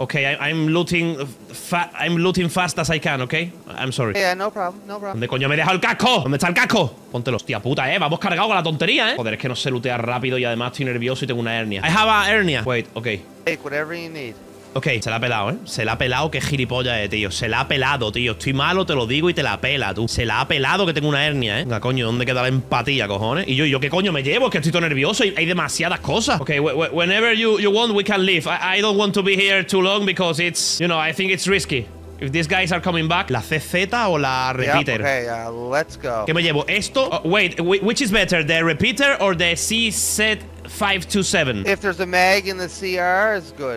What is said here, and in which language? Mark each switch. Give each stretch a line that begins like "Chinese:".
English: Okay, I'm looting fast as I can, okay? I'm sorry. Yeah, no problem, no problem.
Spanish: ¿Dónde coño me he dejado el casco? ¿Dónde está el casco? Ponte los, tía puta, vamos cargado con la tontería, ¿eh? Joder, es que no sé lootear rápido y además estoy nervioso y tengo una hernia.
English: I have a hernia. Wait, okay. Take whatever you need.
Spanish: Okay, se la ha pelado, ¿eh? Se la ha pelado, qué gilipollas, tío. Se la ha pelado, tío. Estoy malo, te lo digo y te la pela, tú. Se la ha pelado que tengo una hernia, ¿eh? Venga, coño, ¿dónde queda la empatía, cojones? Y yo ¿qué coño me llevo? Es que estoy todo nervioso y hay demasiadas cosas.
English: Okay, whenever you want, we can leave. I don't want to be here too long because it's, you know, I think it's risky. If these guys are coming back,
Spanish: ¿la CZ o la repeater?
English: Yep, okay, let's go.
Spanish: ¿Qué me llevo? ¿Esto?
English: Wait, which is better, the repeater or the CZ-527? If there's a mag in the CR, it's good.